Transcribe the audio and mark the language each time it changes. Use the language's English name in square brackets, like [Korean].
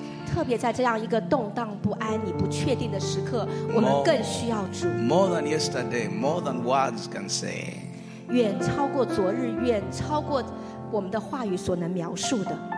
[Chinese] 特别在这样一个动荡不安你不确定的时刻我们更需要主。 [English] More than yesterday, more than words can say. [Chinese] 远超过昨日，远超过我们的话语所能描述的。